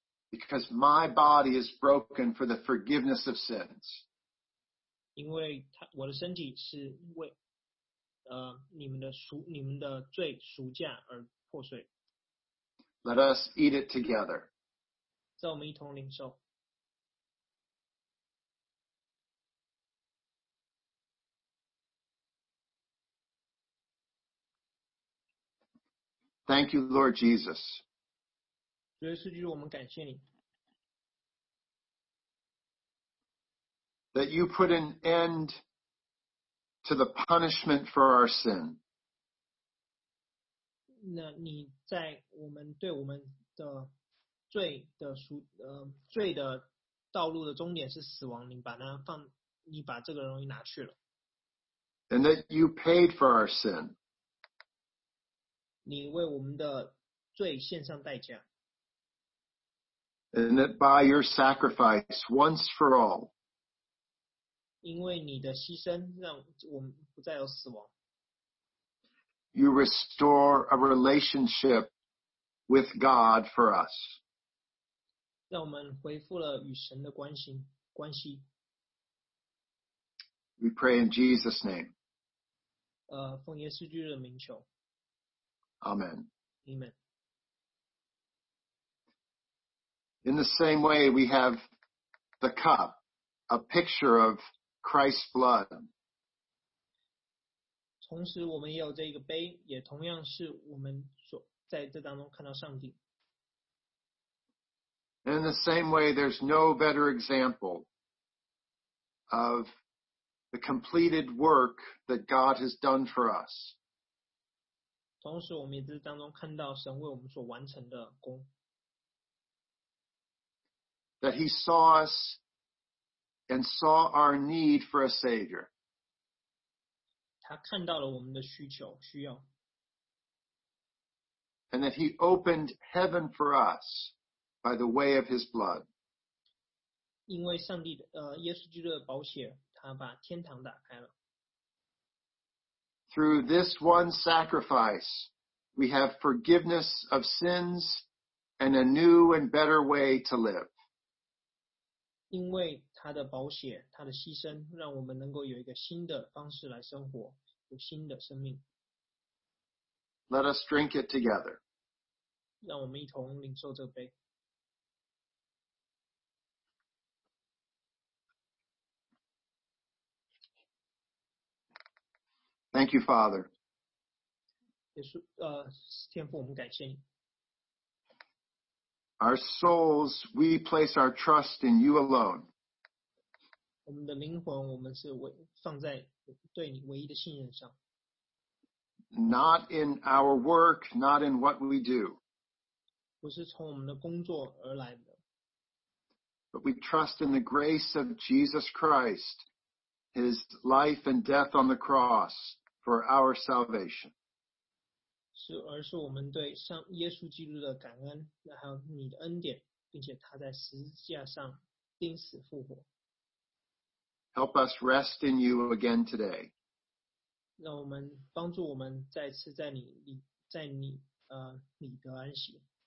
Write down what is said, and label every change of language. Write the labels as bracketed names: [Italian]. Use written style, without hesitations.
[English] Because my body is broken for the forgiveness of sins. [Chinese] 因为我的身体是为你们的罪赎价而破碎。 [English] Let us eat it together. [Chinese] 让我们一同领受。 [English] Thank you, Lord Jesus. [Chinese] 主耶稣基督，我们感谢你。 [English] That you put an end to the punishment for our sin. [Chinese] 那你在我们对我们的罪的道路的终点是死亡，你把这个东西拿去了。 [English] And that you paid for our sin. [Chinese] 你为我们的罪献上代价。 [English] And that by your sacrifice once for all. [Chinese] 因为你的牺牲，让我们不再有死亡。 [English] You restore a relationship with God for us. [Chinese] 让我们恢复了与神的关系。 [English] We pray in Jesus' name. [Chinese] 奉耶稣基督的名求。 [English] Amen. Amen. In the same way, we have the cup, a picture of Christ's blood. [Chinese] 同时我们也有这个杯，也同样是我们所在这当中看到上帝。 [English] In the same way, there's no better example of the completed work that God has done for us. [Chinese] 同时我们也在当中看到神为我们所完成的工。 [English] That he saw us and saw our need for a savior. [Chinese] 他看到了我们的需求，需要。 [English] And that he opened heaven for us by the way of his blood. [Chinese] 因为上帝的耶稣基督的宝血，他把天堂打开了。 [English] Through this one sacrifice, we have forgiveness of sins and a new and better way to live. [Chinese] 因为他的宝血，他的牺牲，让我们能够有一个新的方式来生活，有新的生命。 [English] Let us drink it together. [Chinese] 让我们一同领受这杯。 [English] Thank you, Father. [Chinese] 耶稣，天父，我们感谢你。 [English] Our souls, we place our trust in you alone. [Chinese] 我们的灵魂，我们是放在对你唯一的信任上。 [English] Not in our work, not in what we do. [Chinese] 不是从我们的工作而来的。 [English] But we trust in the grace of Jesus Christ, his life and death on the cross. For our salvation. [Chinese] 是，而是我们对上耶稣基督的感恩，还有你的恩典，并且他在十字架上钉死复活。 [English] Help us rest in you again today. [Chinese] 让我们帮助我们再次在你里，在你里得安息。